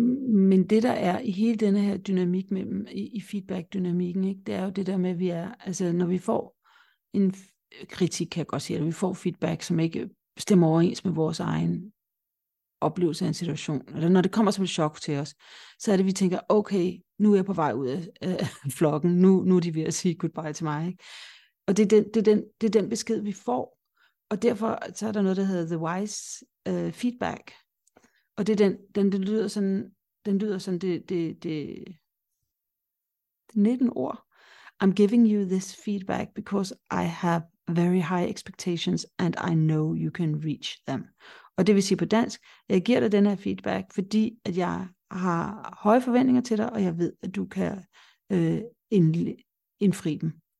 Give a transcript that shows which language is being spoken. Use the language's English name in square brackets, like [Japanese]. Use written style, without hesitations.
[Danish] Men det, der er i hele denne her dynamik mellem, i feedback-dynamikken, ikke, det er jo det der med, at vi er, altså når vi får en kritik, kan jeg godt sige, eller vi får feedback, som ikke stemmer overens med vores egen oplevelse af en situation, eller når det kommer som et chok til os, så er det, vi tænker, okay, nu er jeg på vej ud af flokken, nu er de ved at sige goodbye til mig. Ikke? Og det er den besked, vi får, og derfor så er der noget, der hedder the wise feedback. Og det er den lyder sådan, det er 19 ord. [English] I'm giving you this feedback because I have very high expectations and I know you can reach them. [Danish] Og det vil sige på dansk, jeg giver dig den her feedback, fordi at jeg har høje forventninger til dig, og jeg ved, at du kan indfri dem.